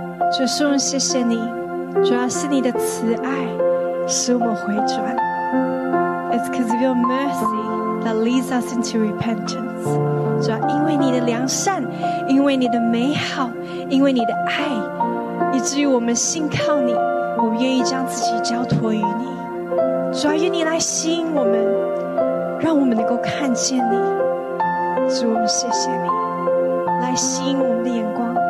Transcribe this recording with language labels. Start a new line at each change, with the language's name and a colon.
Chinese: 主，我们谢谢你，主要是你的慈爱使我们回转。
English: It's because of your mercy that leads us into repentance.
Chinese: 主啊，因为你的良善，因为你的美好，因为你的爱，以至于我们信靠你，我们愿意将自己交托于你。主啊，愿你来吸引我们，让我们能够看见你。主，我们谢谢你，来吸引我们的眼光。